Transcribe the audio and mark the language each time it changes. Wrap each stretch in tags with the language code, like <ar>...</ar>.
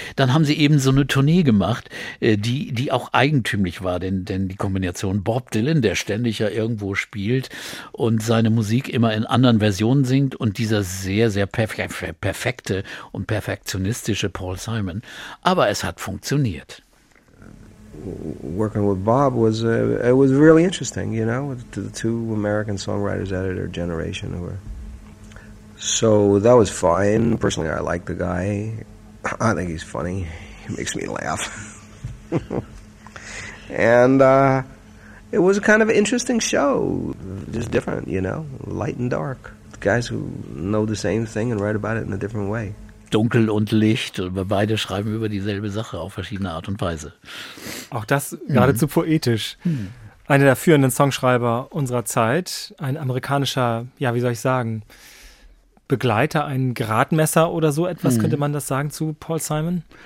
<de>Dann haben sie eben so eine Tournee gemacht, die auch eigentümlich war, denn die Kombination Bob Dylan, der ständig ja irgendwo spielt und seine Musik immer in anderen Versionen singt, und dieser sehr, sehr perfekte und perfektionistische Paul Simon. Aber es hat funktioniert.</de> <en>Working with Bob was it was really interesting, you know, with the two American songwriters out of their generation. So that was fine. Personally, I like the guy. I think he's funny. He makes me laugh. And it was a kind of interesting show, just different, you know, light and dark. Guys who know the same thing and write about it in a different way.</en> <de>Dunkel und Licht, beide schreiben über dieselbe Sache auf verschiedene Art und Weise. Auch das geradezu poetisch. Einer der führenden Songschreiber unserer Zeit, ein amerikanischer, ja, wie soll ich sagen, Begleiter, ein Gradmesser oder so etwas, könnte man das sagen zu Paul Simon?</de>